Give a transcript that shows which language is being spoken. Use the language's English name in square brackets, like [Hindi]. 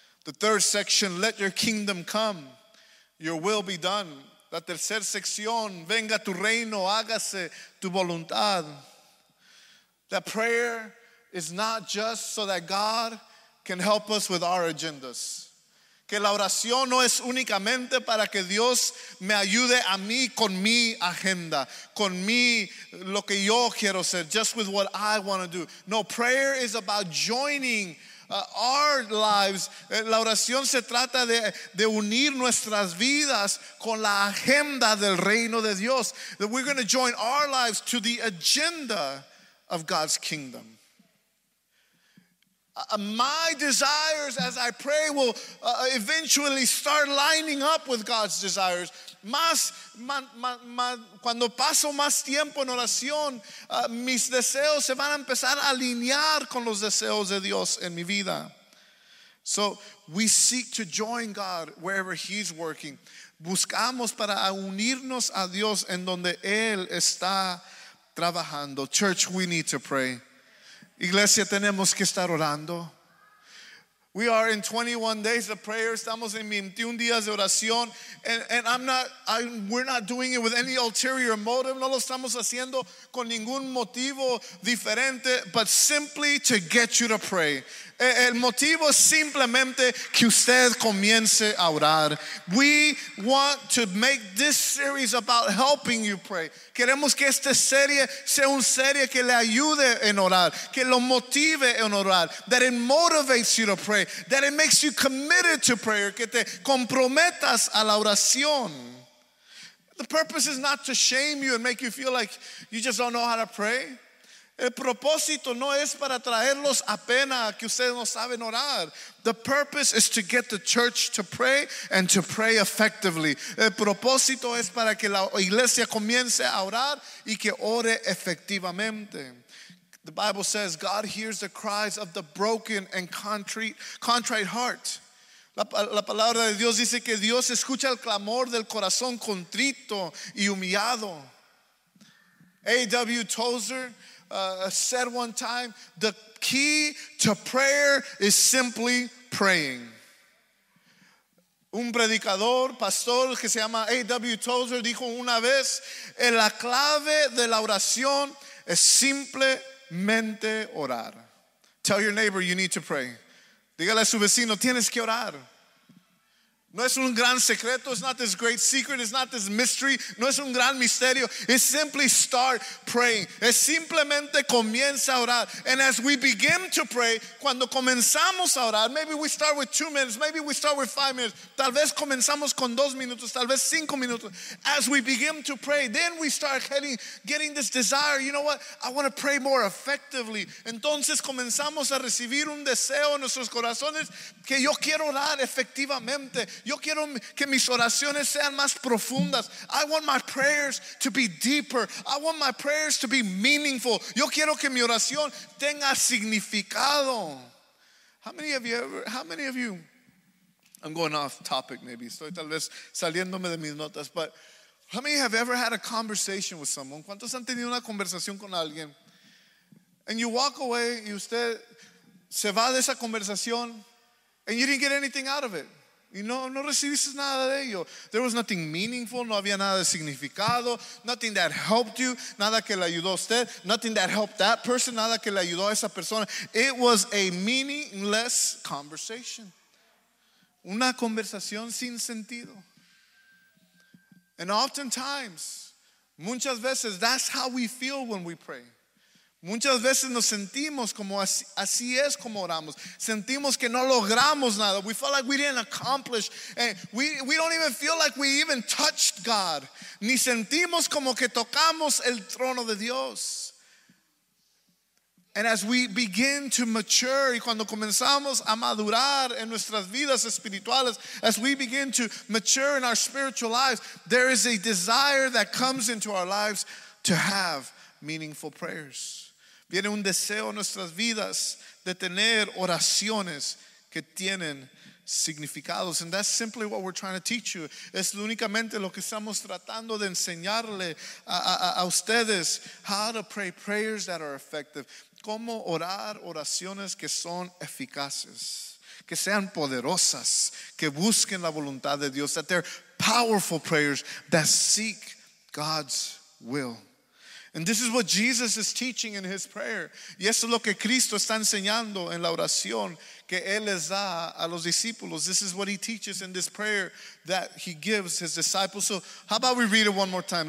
[English] The third section, let your kingdom come, your will be done. [Spanish] La tercera sección, venga tu reino, hágase tu voluntad. [English] That prayer is not just so that God can help us with our agendas. [Spanish] Que la oración no es únicamente para que Dios me ayude a mí con mi agenda, con mi, lo que yo quiero hacer, [English] just with what I want to do. No, prayer is about joining our lives. [Spanish] La oración se trata de unir nuestras vidas con la agenda del reino de Dios. [English] That we're going to join our lives to the agenda of God's kingdom. My desires as I pray will eventually start lining up with God's desires. [Spanish] Cuando paso más tiempo en oración, mis deseos se van a empezar a alinear con los deseos de Dios en mi vida. [English] So we seek to join God wherever He's working. [Spanish] Buscamos para unirnos a Dios en donde Él está trabajando. [English] Church, we need to pray. [Spanish] Iglesia, tenemos que estar orando. [English] We are in 21 days of prayer. [Spanish] Estamos en 21 días de oración. [English] And we're not doing it with any ulterior motive. [Spanish] No lo estamos haciendo con ningún motivo diferente, [English] but simply to get you to pray. [Spanish] El motivo es simplemente que usted comience a orar. [English] We want to make this series about helping you pray. [Spanish] Queremos que esta serie sea una serie que le ayude en orar, que lo motive en orar, [English] that it motivates you to pray, that it makes you committed to prayer, [Spanish] que te comprometas a la oración. [English] The purpose is not to shame you and make you feel like you just don't know how to pray. [Spanish] El propósito no es para traerlos a pena que ustedes no saben orar. [English] The purpose is to get the church to pray and to pray effectively. [Spanish] El propósito es para que la iglesia comience a orar y que ore efectivamente. [English] The Bible says God hears the cries of the broken and contrite heart. [Spanish] La palabra de Dios dice que Dios escucha el clamor del corazón contrito y humillado. [English] A.W. Tozer said one time, the key to prayer is simply praying. [Spanish] Un predicador, pastor, que se llama A.W. Tozer, dijo una vez, la clave de la oración es simplemente orar. [English] Tell your neighbor you need to pray. [Spanish] Dígale a su vecino, tienes que orar. No es un gran secreto, [English] it's not this great secret, it's not this mystery, [Spanish] no es un gran misterio. [English] It's simply start praying. [Spanish] Es simplemente comienza a orar. [English] And as we begin to pray, [Spanish] cuando comenzamos a orar, [English] maybe we start with 2 minutes, maybe we start with 5 minutes, [Spanish] tal vez comenzamos con 2 minutos, tal vez 5 minutos. [English] As we begin to pray, then we start getting this desire, you know what, I want to pray more effectively. [Spanish] Entonces comenzamos a recibir un deseo en nuestros corazones que yo quiero orar efectivamente. Yo quiero que mis oraciones sean más profundas. [English] I want my prayers to be deeper. I want my prayers to be meaningful. [Spanish] Yo quiero que mi oración tenga significado. [English] How many of you, I'm going off topic maybe. [Spanish] Estoy tal vez saliéndome de mis notas, [English] but how many have ever had a conversation with someone? [Spanish] ¿Cuántos han tenido una conversación con alguien? [English] And you walk away [Spanish] y usted se va de esa conversación [English] and you didn't get anything out of it. [Spanish] Y no recibiste nada de ello. [English] There was nothing meaningful. [Spanish] No había nada de significado. [English] Nothing that helped you. [Spanish] Nada que le ayudó a usted. [English] Nothing that helped that person. [Spanish] Nada que le ayudó a esa persona. [English] It was a meaningless conversation. [Spanish] Una conversación sin sentido. [English] And oftentimes, [Spanish] muchas veces, [English] that's how we feel when we pray. [Spanish] Muchas veces nos sentimos como así es como oramos. Sentimos que no logramos nada. [English] We felt like we didn't accomplish. And we don't even feel like we even touched God. [Spanish] Ni sentimos como que tocamos el trono de Dios. [English] And as we begin to mature, [Spanish] y cuando comenzamos a madurar en nuestras vidas espirituales, [English] as we begin to mature in our spiritual lives, there is a desire that comes into our lives to have meaningful prayers. [Spanish] Viene un deseo en nuestras vidas de tener oraciones que tienen significados. [English] And that's simply what we're trying to teach you. [Spanish] Es únicamente lo que estamos tratando de enseñarle a ustedes. [English] How to pray prayers that are effective. [Spanish] Cómo orar oraciones que son eficaces, que sean poderosas, que busquen la voluntad de Dios. [English] That they're powerful prayers that seek God's will. And this is what Jesus is teaching in his prayer. [Spanish] Y eso es lo que Cristo está enseñando en la oración que él les da a los discípulos. [English] This is what he teaches in this prayer that he gives his disciples. So how about we read it one more time?